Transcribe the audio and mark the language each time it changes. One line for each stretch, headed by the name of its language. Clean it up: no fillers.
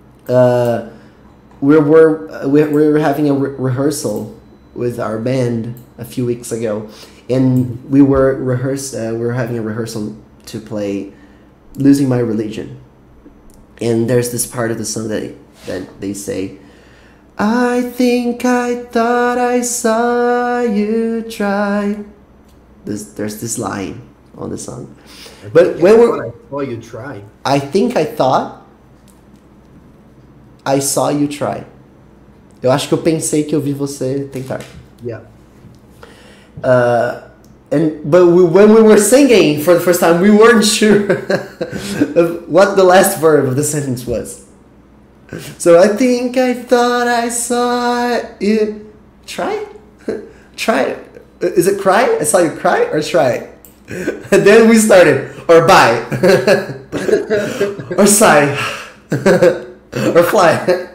English: We were having a rehearsal with our band a few weeks ago, and we were having a rehearsal to play "Losing My Religion," and there's this part of the song that they say, I think I thought I saw you try. There's this line on the song. But when we're... I think I thought I saw you try.
Portuguese: Eu acho que eu pensei que eu vi você tentar.
English: Yeah. When we were singing for the first time, we weren't sure of what the last verb of the sentence was. So I think I thought I saw you try. Try. Is it cry? I saw you cry or try? And then we started. Or bye. Or sigh. Or fly.